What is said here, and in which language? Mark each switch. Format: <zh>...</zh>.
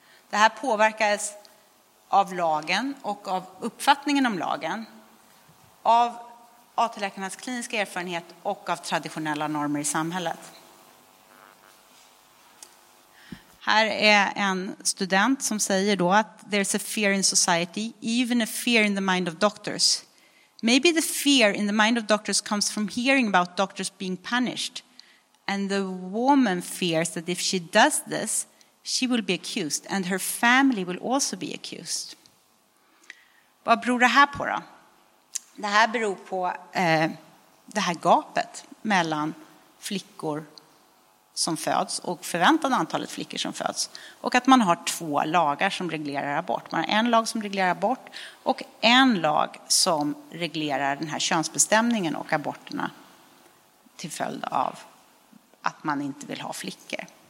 <sv>Det här påverkades av lagen och av uppfattningen om lagen, av AT-läkarnas kliniska erfarenhet och av traditionella normer i samhället. Här är en student som säger då att</sv> <en>there's a fear in society, even a fear in the mind of doctors. Maybe the fear in the mind of doctors comes from hearing about doctors being punished. And the woman fears that if she does this, she will be accused and her family will also be accused.</en> <sv>Vad beror det här på då? Det här beror på det här gapet mellan flickor som föds och förväntade antalet flickor som föds. Och att man har 2 lagar som reglerar abort. Man har en lag som reglerar abort och en lag som reglerar den här könsbestämningen och aborterna till följd av att man inte vill ha flickor.</sv>